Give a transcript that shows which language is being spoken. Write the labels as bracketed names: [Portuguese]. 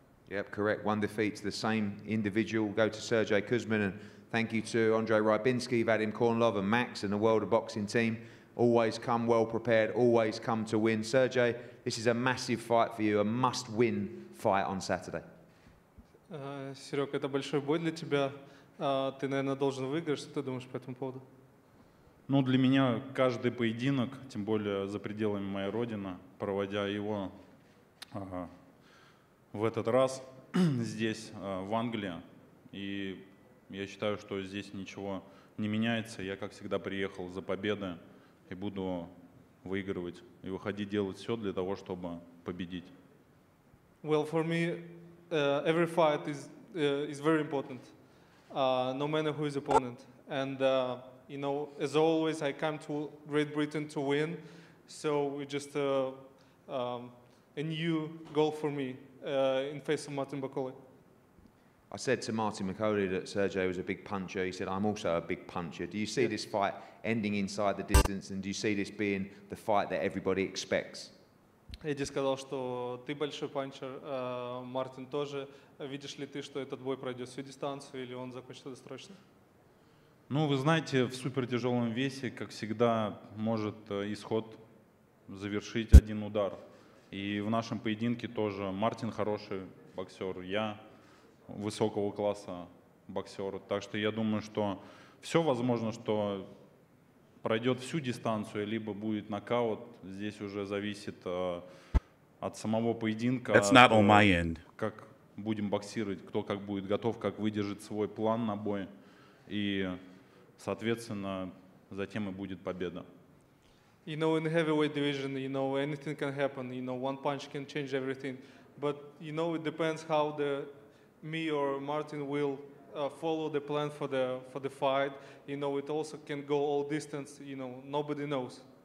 [English] Yep, correct. One defeat to the same individual. Go to Sergey Kuzmin, and thank you to Andrei Rybinski, Vadim Kornilov, and Max, and the World of Boxing team. Always come well prepared, always come to win. Sergey, this is a massive fight for you, a must-win fight on Saturday. [Russian] Serok, это большой бой для тебя. Ты, наверное, должен выиграть. Что ты думаешь по этому поводу? Ну, для меня каждый поединок, тем более за пределами моей родины, проводя его в этот раз здесь, в Англии. И я считаю, что здесь ничего не меняется. Я, как всегда, приехал за победы и буду выигрывать и выходить делать все для того, чтобы победить. [English] Well, for me, every fight is very important, no matter who is opponent. And, you know, as always, I come to Great Britain to win, so we just a new goal for me. In face of Martin Bakole. I said to Martin Bakole that Sergey was a big puncher. He said, I'm also a big puncher. Do you see this fight ending inside the distance, and do you see this being the fight that everybody expects? [Russian] Эдди сказал, что ты большой панчер, Мартин тоже. Видишь ли ты, что этот бой пройдет всю дистанцию, или он закончится досрочно? Ну, вы знаете, в супертяжелом весе, как всегда, может исход завершить один удар. И в нашем поединке тоже Мартин хороший боксер, я высокого класса боксер. Так что я думаю, что все возможно, что пройдет всю дистанцию, либо будет нокаут. Здесь уже зависит от самого поединка. [English] That's not on my end. [Russian] Как будем боксировать, кто как будет готов, как выдержит свой план на бой. И, соответственно, затем и будет победа. [English] You know, in the heavyweight division, you know, anything can happen. You know, one punch can change everything. But, you know, it depends how me or Martin will follow the plan for the fight. You know, it also can go all distance. You know, nobody knows.